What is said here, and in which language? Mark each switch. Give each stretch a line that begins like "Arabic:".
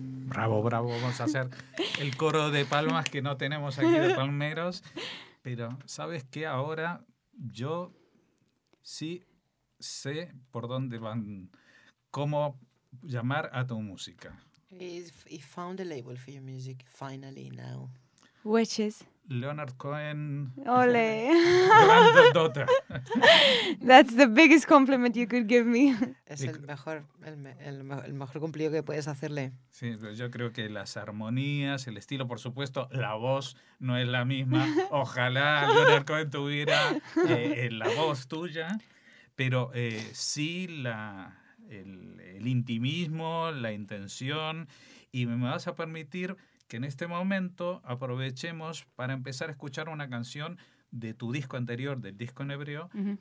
Spanish: Bravo, vamos a hacer el coro de palmas que no tenemos aquí de palmeros. Pero, ¿sabes qué? Ahora yo sí sé por dónde van, cómo llamar a tu música.
English: He found a label for your music, finally, now. Which is? Leonard Cohen.
Spanish: Ole.
English: Granddaughter. That's the biggest compliment you could give me.
Spanish: Es el mejor cumplido que puedes hacerle. Sí, yo creo que las armonías, el estilo, por supuesto, la voz no es la misma. Ojalá Leonard Cohen tuviera la voz tuya. pero sí la, el intimismo, la intención, y me vas a permitir que en este momento aprovechemos para empezar a escuchar una canción de tu disco anterior, del disco en hebreo, uh-huh.